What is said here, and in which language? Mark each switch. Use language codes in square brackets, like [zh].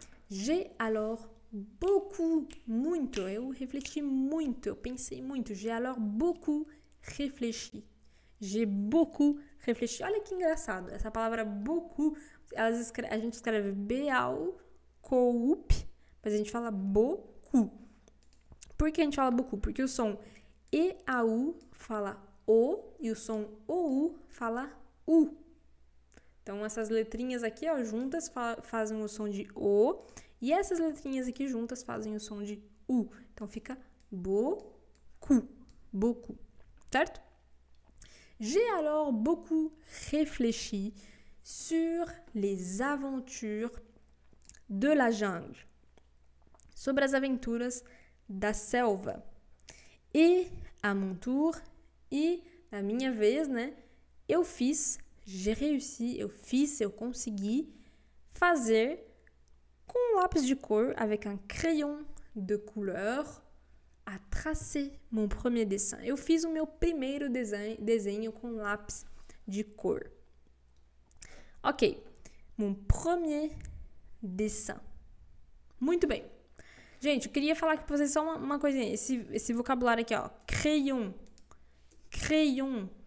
[fr] J'ai alors beaucoup, [pt] muito. Eu refleti muito, eu pensei muito. [fr] J'ai alors beaucoup réfléchi. J'ai beaucoup réfléchi. [pt] Olha que engraçado. Essa palavra beaucoup, a gente escreve beaucoup, mas a gente fala beaucoup. Por que a gente fala beaucoup? Porque o som eau fala o e o som ou fala u. Então, essas letrinhas aqui, ó, juntas fazem o som de o. E essas letrinhas aqui juntas fazem o som de u. Então, fica beaucoup. Beaucoup. Certo? [fr] J'ai alors beaucoup réfléchi sur les aventures de la jungle. [pt] Sobre as aventuras da selva. [fr] Et à mon tour, [pt] e na minha vez, né? Eu fiz. [fr] J'ai réussi, [pt] eu fiz, eu consegui fazer com um lápis de cor, [fr] avec un crayon de couleur, a tracer mon premier dessin. [pt] Eu fiz o meu primeiro desenho com um lápis de cor. [fr] Ok, mon premier dessin. [pt] Muito bem. Gente, eu queria falar aqui pra vocês só uma coisinha. Esse vocabulário aqui, ó. Crayon. Crayon.